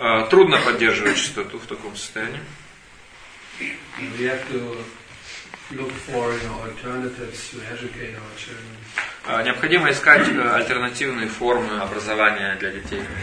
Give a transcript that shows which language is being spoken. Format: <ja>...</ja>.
<ru>Трудно поддерживать чистоту в таком состоянии.</ru> <en>We have to look for, you know, alternatives to educate our children.</en> <ru>Необходимо искать альтернативные формы образования для детей.</ru>